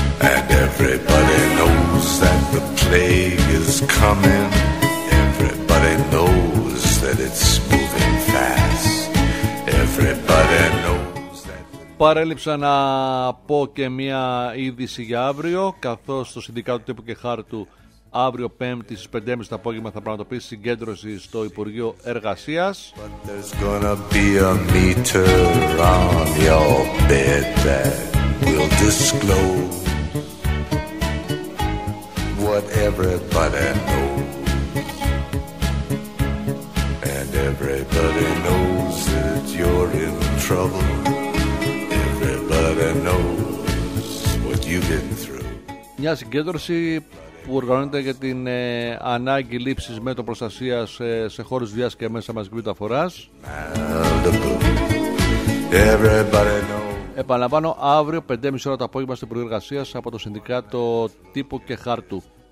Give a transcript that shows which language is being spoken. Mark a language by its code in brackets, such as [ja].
[en] And everybody knows that the plague is coming. Everybody knows that it's moving fast. Everybody knows that. [el] Παρέλειψα να πω και μια είδηση για αύριο, καθώς το Συνδικάτο Τύπου και Χάρτου αύριο 5η στις 5.30 το απόγευμα θα πραγματοποιήσει συγκέντρωση στο Υπουργείο Εργασίας. [en] But there's gonna be a meter on your bed that will disclose. What everybody knows, and everybody knows that you're in trouble. Everybody knows what you've been through. [el] Μια συγκέντρωση που οργανώνεται για την ανάγκη λήψης μέτρων προστασίας σε χώρους βίας και μέσα μαζικής μεταφοράς. [en] Everybody knows. [el] Επαναλαμβάνω, αύριο 5.30 ώρα το απόγευμα στην Υπουργή Εργασίας από το Συνδικάτο Τύπου και Χάρτου.